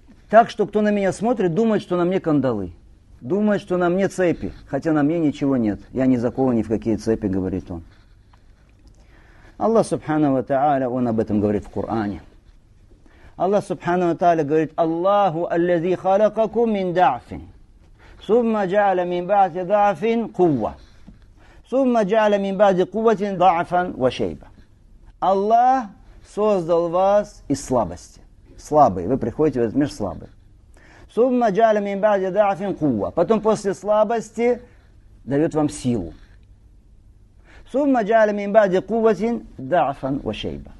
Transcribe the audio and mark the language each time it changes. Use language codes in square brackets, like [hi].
[ru] Так что кто на меня смотрит, думает, что на мне кандалы. Думает, что на мне цепи. Хотя на мне ничего нет. Я не закован ни в какие цепи, говорит он. Аллах Субхану ва Тааля, он об этом говорит в Коране. Аллах Субхану ва Тааля говорит, [ar] «Аллаху, аллази халакаку мин дафин». ثم جعل من بعد ضعف قوة ثم جعل من بعد قوة ضعفا وشيبة. [ru] Аллах создал вас из слабости. Слабые. Вы приходите в этот мир слабые. [ar] Сумма джаля мин бади дафин кува. [ru] Потом после слабости дает вам силу. [ar] Сумма джаля мин бади куватин дафан вашейба.